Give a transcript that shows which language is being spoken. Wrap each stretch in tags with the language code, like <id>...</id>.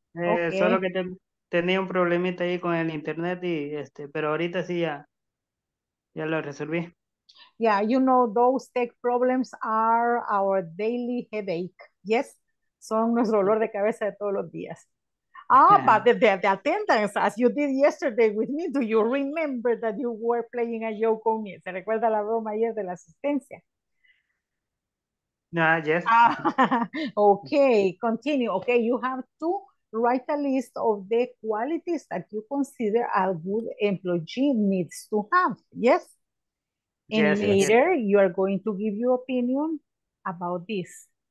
<es>Solo que tenía un problemita ahí con el internet y pero ahorita sí ya lo resolví.</es> <en>Yeah, you know, those tech problems are our daily headache.</en> <es>Yes, son nuestro dolor de cabeza de todos los días.</es> <en>Ah, yeah. But the attendance, as you did yesterday with me, do you remember that you were playing a joke on me?</en> <es>¿Se recuerda la broma ayer de la asistencia?</es> <en>No, yes. Okay, continue. Okay, you have to write a list of the qualities that you consider a good employee needs to have. Yes? And later, you are going to give your opinion about this.</en>